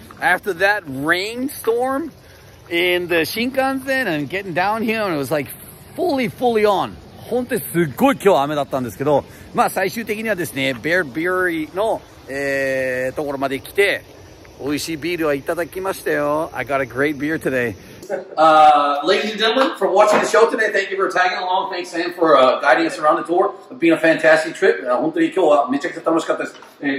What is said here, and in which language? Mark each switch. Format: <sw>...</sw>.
<en>After that rainstorm in the Shinkansen and getting down here, and it was like fully on.</en> <ja>本当にすごい今日雨だったんですけど、まあ最終的にはですね、ベアビューリーの、ところまで来て、美味しいビールはいただきましたよ。</ja> <en>I got a great beer today. Ladies and gentlemen, for watching the show today, thank you for tagging along. Thanks, Sam, for guiding us around the tour. It's been a fantastic trip.</en> <ja>本当に今日はめちゃくちゃ楽しかったです。</ja>